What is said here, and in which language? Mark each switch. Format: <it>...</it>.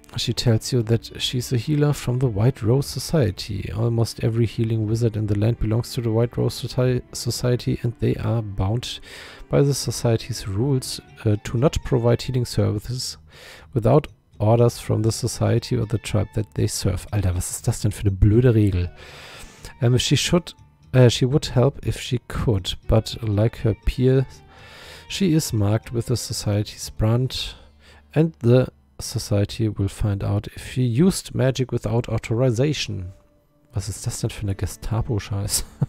<en>She tells you that she's a healer from the White Rose Society. Almost every healing wizard in the land belongs to the White Rose Society and they are bound by the society's rules to not provide healing services without orders from the society or the tribe that they serve.</en> <de>Alter, was ist das denn für eine blöde Regel?</de> <en>She would help if she could, but like her peers, she is marked with the society's brand and the Society will find out if he used magic without authorization.</en> <de>Was ist das denn für eine Gestapo-Scheiß?</de>